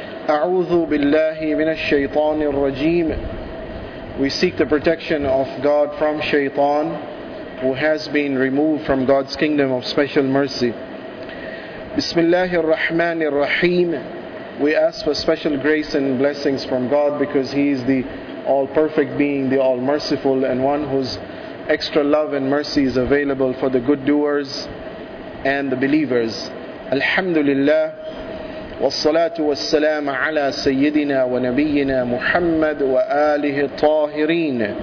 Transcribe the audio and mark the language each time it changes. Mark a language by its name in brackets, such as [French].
[Arabic] أعوذ بالله من الشيطان الرجيم. [English] We seek the protection of God from Shaytan, who has been removed from God's kingdom of special mercy. [Arabic] بسم الله الرحمن الرحيم. [English] We ask for special grace and blessings from God because He is the all-perfect being, the all-merciful, and one whose extra love and mercy is available for the good doers and the believers. [Arabic] الحمد لله والصلاة والسلام على سيدنا ونبينا محمد وآله الطاهرين.